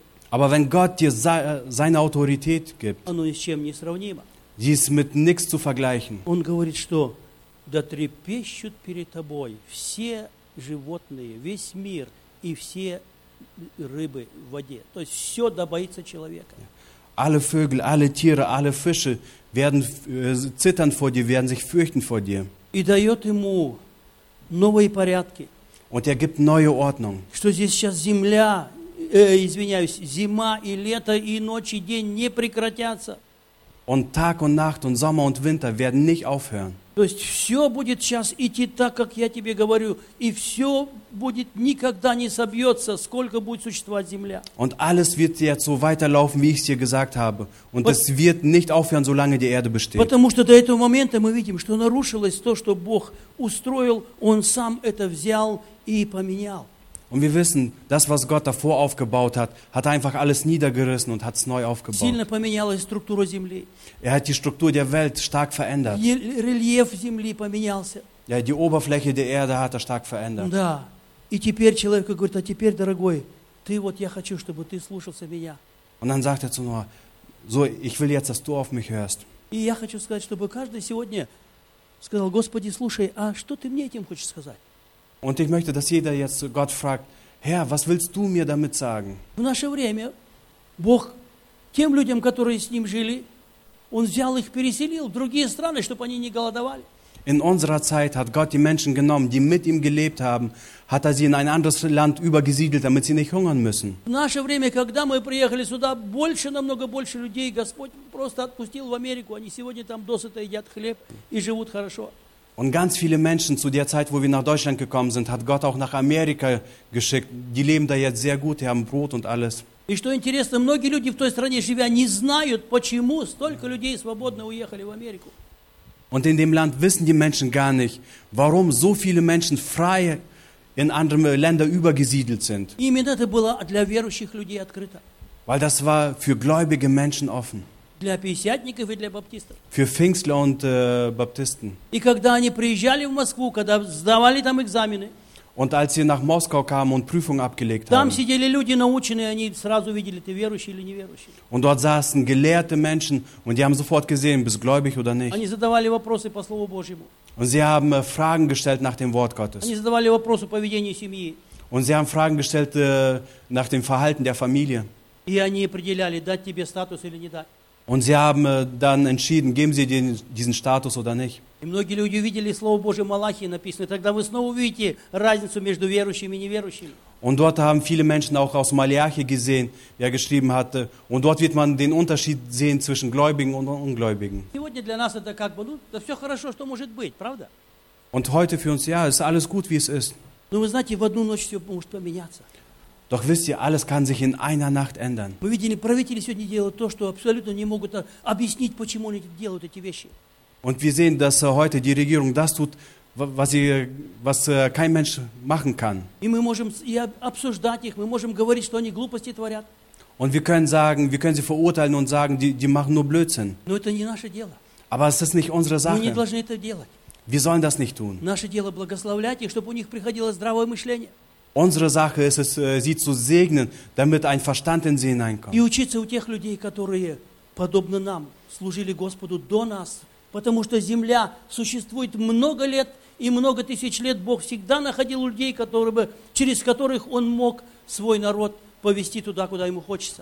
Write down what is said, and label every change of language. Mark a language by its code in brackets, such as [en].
[de] Aber wenn Gott dir seine Autorität gibt, die ist mit nichts zu vergleichen. Er sagt, [ru] что да трепещут перед тобой все животные, весь мир и все рыбы в воде. То есть все да боится человека. [de] Alle Vögel, alle Tiere, alle Fische werden zittern vor dir, werden sich fürchten vor dir. [ru] И дает ему новые порядки. [de] Und er gibt neue Ordnung. [ru] Что здесь сейчас земля, извиняюсь, зима и лето и ночь и день не прекратятся. [de] Und Tag und Nacht und Sommer und Winter werden nicht aufhören. [ru] То есть все будет сейчас идти так, как я тебе говорю, и все будет никогда не собьется, сколько будет существовать земля. [de] Und alles wird jetzt so weiterlaufen, wie ich es dir gesagt habe. Und es wird nicht aufhören, solange die Erde besteht. [ru] Потому что до этого момента мы видим, что нарушилось то, что Бог устроил, Он сам это взял и поменял. [de] Und wir wissen, das, was Gott davor aufgebaut hat, hat einfach alles niedergerissen und hat es neu aufgebaut. [ru] Сильно поменялась структура земли. [de] Er hat die Struktur der Welt stark verändert. [ru] Рельеф земли поменялся. [de] Ja, die Oberfläche der Erde hat er stark verändert. [ru] Да. И теперь человек говорит, а теперь, дорогой, ты вот я хочу, чтобы ты слушался меня. [de] Und dann sagt er zu Noah, so, ich will jetzt, dass du auf mich hörst. [ru] И я хочу сказать, чтобы каждый сегодня сказал, Господи, слушай, а что ты мне этим хочешь сказать? [de] Und ich möchte, dass jeder jetzt Gott fragt, Herr, was willst du mir damit sagen? [ru] В наше время Бог тем людям, которые с ним жили, Он взял их, переселил в другие страны, чтобы они не голодовали. [de] In unserer Zeit hat Gott die Menschen genommen, die mit ihm gelebt haben, hat er sie in ein anderes Land übergesiedelt, damit sie nicht hungern müssen. [ru] В наше время, когда мы приехали сюда, больше, намного больше людей Господь просто отпустил в Америку, они сегодня там досыта едят хлеб и живут хорошо. [de] Und ganz viele Menschen zu der Zeit, wo wir nach Deutschland gekommen sind, hat Gott auch nach Amerika geschickt. Die leben da jetzt sehr gut, die haben Brot und alles. [ru] И что интересно, многие люди в той стране живя не знают, почему столько людей свободно уехали в Америку. [de] Und in dem Land wissen die Menschen gar nicht, warum so viele Menschen frei in andere Länder übergesiedelt sind. [ru] Именно это было для верующих людей открыто. [de] Weil das war für gläubige Menschen offen. [ru] Для пятидесятников и для баптистов. [de] Für Pfingstler und Baptisten. [ru] И когда они приезжали в Москву, когда сдавали там экзамены. [de] Und als sie nach Moskau kamen und Prüfung abgelegt [ru] там [de] haben. [ru] Там сидели люди наученные, они сразу видели, ты верующий или неверующий. [de] Und dort saßen gelehrte Menschen und die haben sofort gesehen, bist gläubig oder nicht. [ru] Они задавали вопросы по слову Божьему. [de] Und sie haben Fragen gestellt nach dem Wort Gottes. [ru] Они задавали вопросы по ведению семьи. [de] Und sie haben Fragen gestellt nach dem Verhalten der Familie. [ru] И они определяли, дать тебе статус или не дать. [de] Und sie haben dann entschieden, geben sie diesen Status oder nicht. [ru] И многие люди видели слово Божие Малахии написано, тогда вы снова увидите разницу между верующими и неверующими. [de] Und dort haben viele Menschen auch aus Malachi gesehen, wie er geschrieben hatte, und dort wird man den Unterschied sehen zwischen Gläubigen und Ungläubigen. [ru] Сегодня для нас это как бы, ну, да все хорошо, что может быть, правда? [de] Und heute für uns, ja, ist alles gut, wie es ist. [ru] Но вы знаете, в одну ночь все может поменяться. [de] Doch wisst ihr, alles kann sich in einer Nacht ändern. [ru] Мы видели, правители сегодня делают то, что абсолютно не могут объяснить, почему они делают эти вещи. [de] Und wir sehen, dass heute die Regierung das tut, was kein Mensch machen kann. [ru] И мы можем обсуждать их, мы можем говорить, что они глупости творят. [de] Und wir können sagen, wir können sie verurteilen und sagen, die machen nur Blödsinn. [ru] Но это не наше дело. [de] Aber es ist nicht unsere Sache. [ru] Мы не должны это делать. [de] Wir sollen das nicht tun. [ru] Наше дело благословлять их, чтобы у них приходило здравое мышление. [de] Unsere Sache ist es, sie zu segnen, damit ein Verstand in sie hineinkommt. [ru] И учиться у тех людей, которые подобно нам служили Господу до нас, потому что земля существует много лет и много тысяч лет. Бог всегда находил людей, которые бы через которых Он мог свой народ повести туда, куда ему хочется.